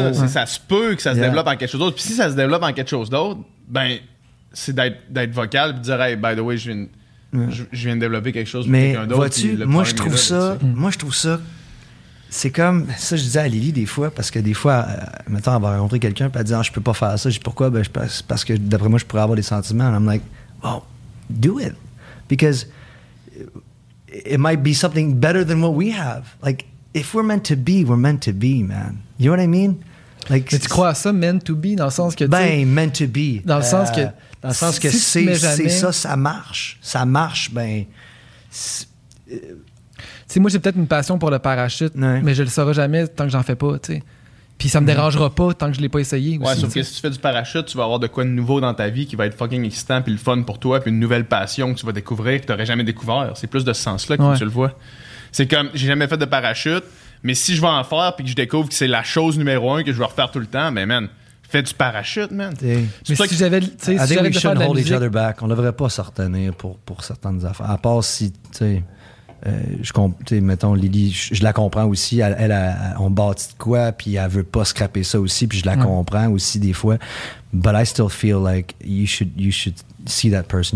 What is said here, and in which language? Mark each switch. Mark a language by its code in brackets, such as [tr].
[fr] Ben, c'est ça, ça se peut que ça se développe en quelque chose d'autre. Puis si ça se développe en quelque chose d'autre, ben, c'est d'être vocal, puis de dire, hey, [en] by the way, [fr] je viens de développer quelque chose mais pour quelqu'un d'autre. Mais vois-tu, moi, je trouve ça... Moi, je trouve ça... C'est comme... Ça, je disais à Lily des fois, parce que des fois, mettons, elle va rencontrer quelqu'un, puis elle dit, oh, je peux pas faire ça. Je dis, pourquoi? Ben, parce que, d'après moi, je pourrais avoir des sentiments. [en] And I'm like, well, do it. Because... It might be something better than what we have. Like, if we're meant to be, we're meant to be, man. You know what I mean? [fr] Like, mais tu crois à ça, meant to be, dans le sens que... Ben, meant to be. Dans le sens que... Dans le sens que si c'est, jamais, c'est ça, ça marche. Ça marche, ben... Tu sais, moi, j'ai peut-être une passion pour le parachute, mais je le saurai jamais tant que j'en fais pas, tu sais. Puis ça me dérangera pas tant que je l'ai pas essayé. Ouais, aussi, sauf t'sais. Que si tu fais du parachute, tu vas avoir de quoi de nouveau dans ta vie qui va être fucking excitant, puis le fun pour toi, puis une nouvelle passion que tu vas découvrir, que tu n'aurais jamais découvert. C'est plus de ce sens-là que tu le vois. C'est comme, j'ai jamais fait de parachute, mais si je vais en faire, puis que je découvre que c'est la chose numéro un que je vais refaire tout le temps, ben man, fais du parachute, man. Mais si j'avais. [en] We should hold each other back. [fr] On devrait pas se retenir pour certaines affaires. À part si, tu sais. Mettons, Lily, je la comprends aussi. Elle, on bâtit de quoi, puis elle veut pas scraper ça aussi, puis je la comprends aussi des fois. [en] But I still feel like you should see that person.